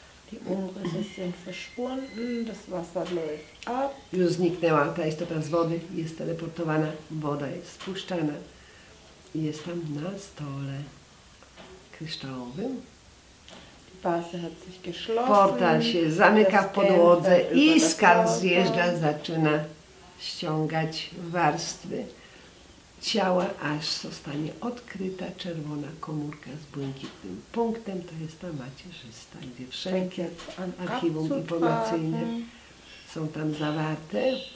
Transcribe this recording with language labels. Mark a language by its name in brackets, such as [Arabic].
[German] Die Umrisse sind verschwunden, das Wasser läuft ab. [Polish] Już zniknęła ta istota z wody, jest teleportowana, woda jest spuszczana. Jest tam na stole kryształowym. [German] Die Base hat sich geschlossen. [Polish] Portal się zamyka w podłodze i skarb zjeżdża, zaczyna ściągać warstwy ciała, aż zostanie odkryta czerwona komórka z błękitnym punktem. To jest ta macierzysta, gdzie wszelkie archiwum informacyjne są tam zawarte.